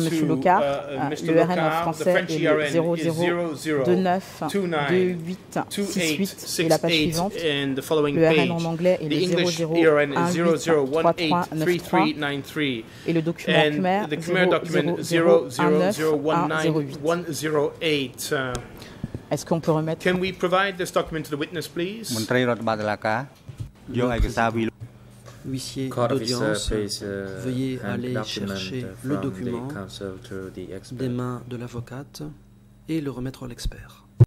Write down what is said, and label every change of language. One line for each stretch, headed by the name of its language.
French: Locard, l'URN en français est 00292868 et la page suivante. L'URN en anglais est 00183393 et le document Khmer 00019108. Est-ce qu'on peut remettre?
English: Can we provide this document to the witness, please?
French: Montrer le badalaka. Huissier d'audience, veuillez aller chercher le document des mains de l'avocate et le remettre à l'expert.